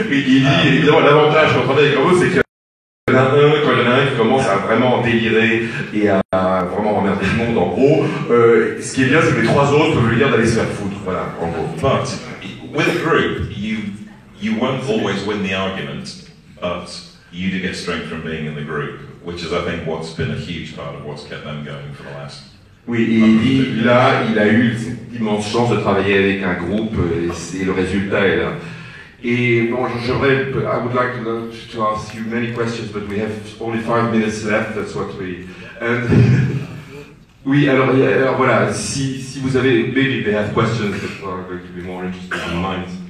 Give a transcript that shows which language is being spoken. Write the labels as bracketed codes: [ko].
[fr] Évidemment, l'avantage qu'on travaille avec eux, c'est qu'il y en a un, quand il y en a un qui commence à vraiment délirer et à vraiment emmerder le monde, en gros, ce qui est bien, c'est que les trois autres peuvent lui dire d'aller se faire foutre, voilà, en gros. [en] But, with a group, you won't always win the argument, but you do get strength from being in the group, which is, I think, what's been a huge part of what's kept them going for the last... [fr] Oui, et là, il a eu cette immense chance de travailler avec un groupe, et c'est le résultat est là. Et bon, [en] I would like to ask you many questions, but we have only 5 minutes left, that's what we... [fr] And, oui, alors voilà, si vous avez... [en] Maybe they have questions that are going to be more interesting than mine.